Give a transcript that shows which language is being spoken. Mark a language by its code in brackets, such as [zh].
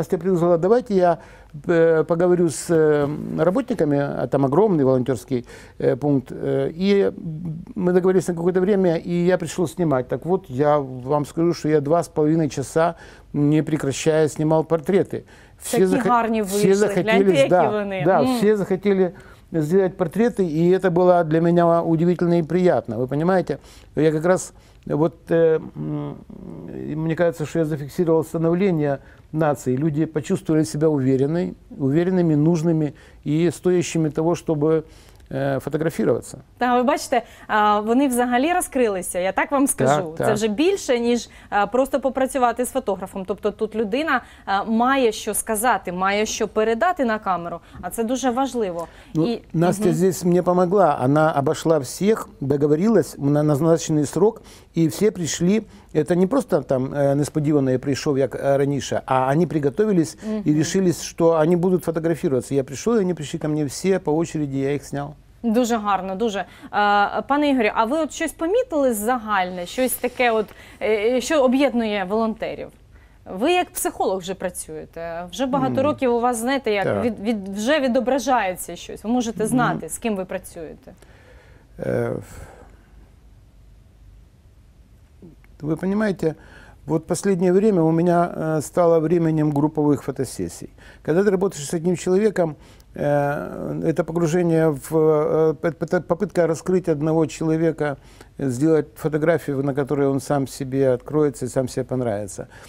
[ru] Настя предложила, давайте я поговорю с работниками, а там огромный волонтерский пункт, и мы договорились на какое-то время, и я пришел снимать. Так вот, я вам скажу, что я 2,5 часа, не прекращая, снимал портреты. [uk] Все гарні вийшли, [ru] все захотели, все захотели сделать портреты, и это было для меня удивительно и приятно, вы понимаете? Я как раз... Вот мне кажется, что я зафиксировал становление нации. Люди почувствовали себя уверенными, нужными и стоящими того, чтобы фотографироваться. [uk] Так, ви бачите, вони взагалі розкрилися, я так вам скажу. Так, так. Це вже більше, ніж просто попрацювати з фотографом. Тобто тут людина має що сказати, має що передати на камеру, а це дуже важливо. Ну, і... Настя тут мені допомогла, вона обійшла всіх, договорилась на назначений срок, і всі прийшли. [ru] Это не просто там [uk] несподіванно я прийшов, як раніше, а вони приготовились і вирішили, що вони будуть фотографуватися. Я прийшов, і вони прийшли ко мені всі по черзі, я їх зняв. Дуже гарно, дуже. Пане Ігорю, а ви от щось помітили загальне, щось таке, от, що об'єднує волонтерів? Ви як психолог вже працюєте, вже багато років у вас, знаєте, як вже відображається щось. Ви можете знати, з ким ви працюєте. Ви розумієте, [ru] вот последнее время у меня стало временем групповых фотосессий. Когда ты работаешь с одним человеком, это погружение в попытка раскрыть одного человека, сделать фотографию, на которой он сам себе откроется и сам себе понравится.